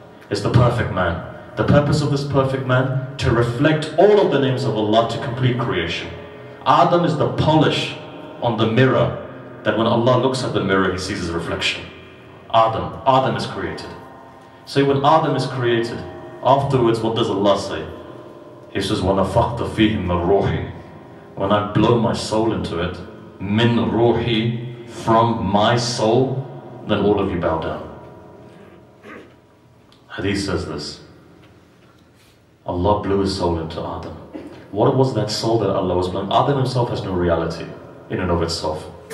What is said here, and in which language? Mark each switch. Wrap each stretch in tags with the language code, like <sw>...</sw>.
<en>It's the perfect man. The purpose of this perfect man, to reflect all of the names of Allah to complete creation. Adam is the polish on the mirror, that when Allah looks at the mirror, He sees His reflection. Adam is created. So when Adam is created, afterwards, what does Allah say? He says,</en> <ar>وَنَفَقْتَ فِيهِ مِنْ رُوحِي.</ar> <en>When I blow my soul into it,</en> <ar>مِنْ رُوحِي,</ar> <en>from my soul, then all of you bow down. Hadith says this. Allah blew His soul into Adam. What was that soul that Allah was blowing? Adam himself has no reality in and of itself.</en>